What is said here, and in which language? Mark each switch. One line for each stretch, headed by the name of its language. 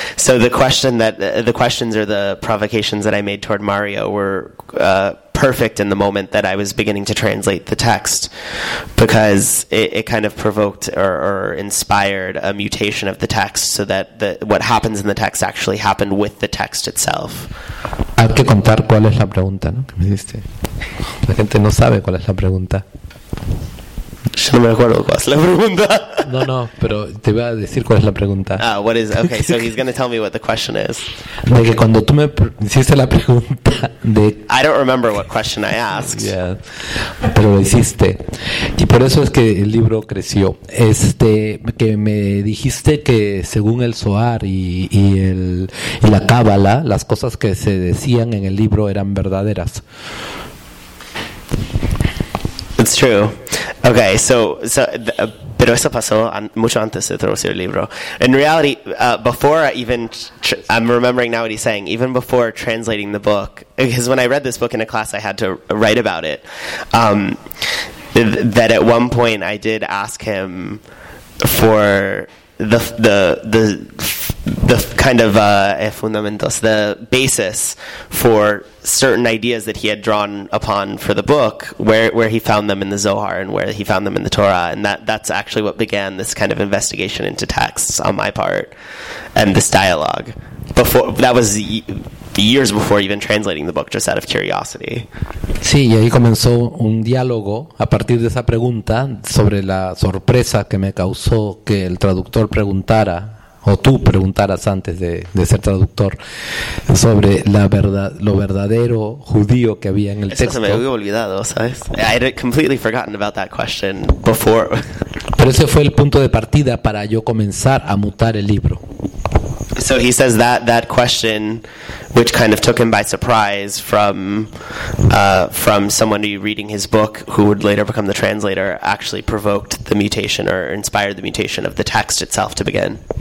English: So the questions or the provocations that I made toward Mario were perfect in the moment that I was beginning to translate the text, because it kind of provoked or inspired a mutation of the text, so that what happens in the text actually happened with the text itself.
Spanish: Hay que contar cuál es la pregunta, ¿no? ¿Qué me dijiste? La gente no sabe cuál es la pregunta. Yo no me acuerdo cuál es la pregunta. No, pero te voy a decir cuál es la pregunta.
English: Ah, what is, okay, so he's going to tell me what the question is.
Spanish: De que cuando tú me hiciste la pregunta de...
English: I don't remember what question I asked. Yeah,
Spanish: pero lo hiciste. Y por eso es que el libro creció. Que me dijiste que según el Zohar y la Cábala, las cosas que se decían en el libro eran verdaderas.
English: It's true. Okay, so
Spanish: pero eso pasó mucho antes de traducir el libro.
English: In reality, before I even, I'm remembering now what he's saying, even before translating the book, because when I read this book in a class, I had to write about it, that at one point I did ask him for the basis for certain ideas that he had drawn upon for the book, where he found them in the Zohar and where he found them in the Torah, and that's actually what began this kind of investigation into texts on my part and this dialogue. Before that was years before even translating the book, just out of curiosity.
Spanish: Sí, y ahí comenzó un diálogo a partir de esa pregunta sobre la sorpresa que me causó que el traductor preguntara, o tú preguntaras antes de ser traductor, sobre la verdad, lo verdadero judío que había en el texto. Eso se me había olvidado, ¿sabes?
English: I had completely forgotten about that question before.
Spanish: Pero ese fue el punto de partida para yo comenzar a mutar el libro.
English: So he says that question, which kind of took him by surprise from someone reading his book who would later become the translator, actually provoked the mutation or inspired the mutation of the text itself to begin.